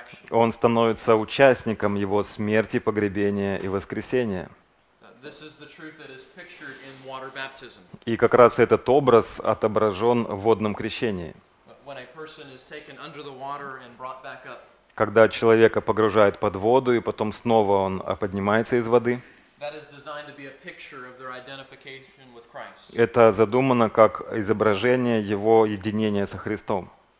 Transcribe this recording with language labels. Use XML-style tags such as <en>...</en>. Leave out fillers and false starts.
<ru>Он становится участником его смерти, погребения и воскресения.</ru> <en>This is the truth that is pictured in water baptism.</en> <ru>И как раз этот образ отображен в водном крещении.</ru> <en>When a person is taken under the water and brought back up,</en> <ru>когда человека погружают под воду, и потом снова он поднимается из воды.</ru> <en>That is designed to be a picture of their identification with Christ.</en> <ru>Это задумано как изображение его единения со Христом.</ru>